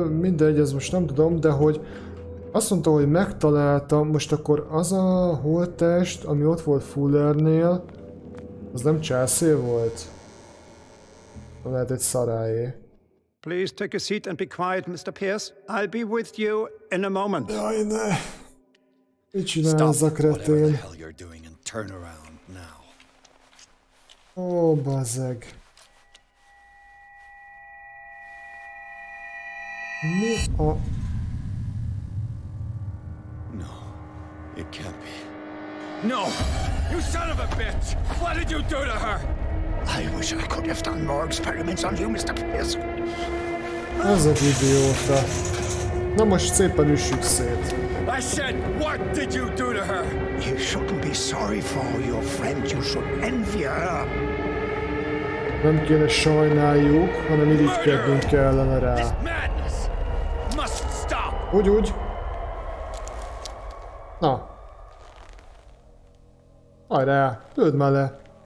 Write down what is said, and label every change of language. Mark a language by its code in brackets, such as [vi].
[hu] Mindegy, ez most nem tudom, de hogy azt mondta, hogy megtaláltam, most akkor az a holttest, ami ott volt Fullernél, az nem Chelsea volt? Lehet egy szarájé. [en] Please take a seat and be quiet, Mr. Pierce. I'll be with you in a moment. [hu] Jaj, ne! Mit csinál ez a kretén? Ó, bazeg. Mi a... [en] No, it can't be. No, you son of a bitch! What did you do to her? I wish I could have done more experiments on you, Mr. Pierce. [hu] Ez a idióta. Na most szépen üssük szét. [en] I said, what did you do to her? You shouldn't be sorry for your friend, you should envy her. [hu] Nem kéne sajnáljuk, hanem irigykednünk kellene rá. Úgy. Na. Hajrá, lőd már le.